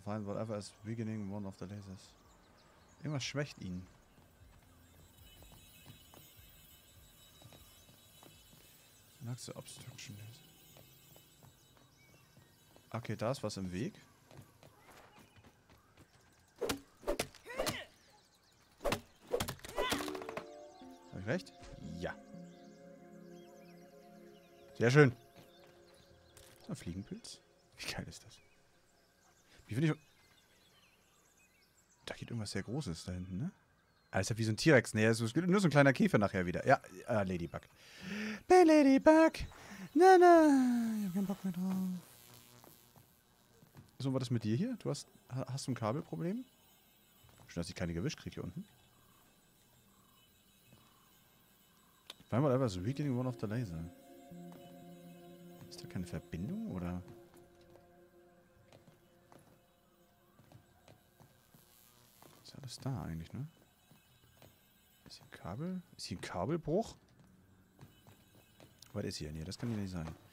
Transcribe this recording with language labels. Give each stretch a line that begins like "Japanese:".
English: Find whatever is weakening one of the lasers.
German: Irgendwas schwächt ihn.
English: Unlocked obstruction laser.
German: Okay, da ist was im Weg. Recht? Ja. Sehr schön. Ein Fliegenpilz. Wie geil ist das? Wie finde ich. Da geht irgendwas sehr Großes da hinten, ne? Also wie so ein T-Rex. Ne, es ist nur so ein kleiner Käfer nachher wieder. Ja, Ladybug. Bei Ladybug. Na, na. Ich hab keinen Bock mehr drauf. So, war das mit dir hier? Du hast du ein Kabelproblem? Schön, dass ich keine Gewisch kriege hier unten.
English: Find whatever is weakening one of the laser.
German: Ist da keine Verbindung, oder? Ist alles da eigentlich, ne? Ist hier ein Kabel? Ist hier ein Kabelbruch? Was ist hier? Nee, das kann hier nicht sein.